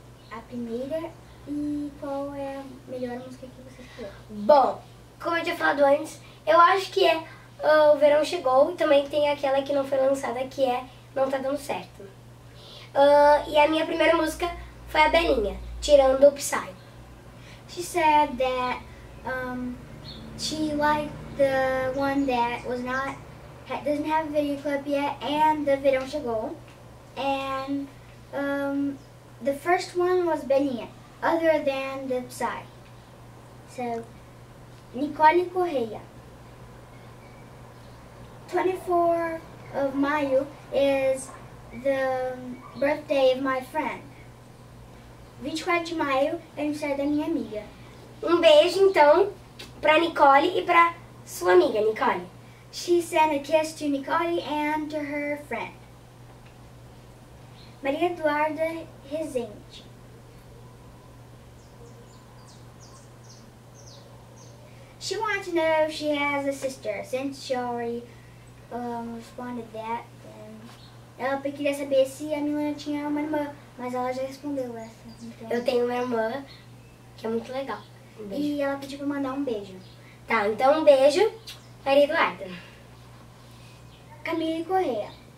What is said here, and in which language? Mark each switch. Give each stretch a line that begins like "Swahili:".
Portuguese: a primeira e qual é a melhor música que você escreveu? Bom, como eu tinha falado antes, eu acho que é O Verão Chegou e também tem aquela que não foi lançada, que é Não Tá Dando Certo. E a minha primeira música foi a Belinha, tirando o Psy.
English: She said that she liked the one that was not, doesn't have a video clip yet, and the Verão Chegou. And the first one was Belinha, other than the Psy. So, Nicole Correia. 24 of Mayo is the birthday of my friend.
Portuguese: 24 de Maio é aniversário da minha amiga. Um beijo, então, pra Nicole e pra sua amiga, Nicole.
English: She sent a kiss to Nicole and to her friend. Maria Eduarda Rezende. She wants to know if she has a sister, since she already responded that.
Portuguese: Ela queria saber se a Milena tinha uma irmã, mas ela já respondeu essa. Então. Eu tenho uma irmã, que é muito legal. E ela pediu pra mandar um beijo. Tá, então um beijo, Maria Eduarda. Camille Correa.